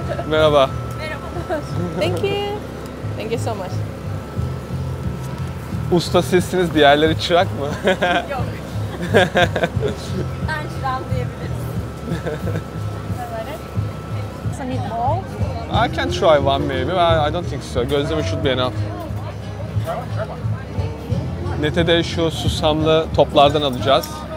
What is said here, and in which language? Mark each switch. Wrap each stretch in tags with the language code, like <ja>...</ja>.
<tr>Merhaba. Merhaba.</tr> <en>Thank you. Thank you so much.</en> <tr>Usta sizsiniz, diğerleri çırak mı? Yok. Ben çırağım diyebiliriz.</tr> <en>Some meatball. I can try one maybe, but I don't think so. Gözleme should be enough.</en> <tr>Nete'de şu susamlı toplardan alacağız.</tr>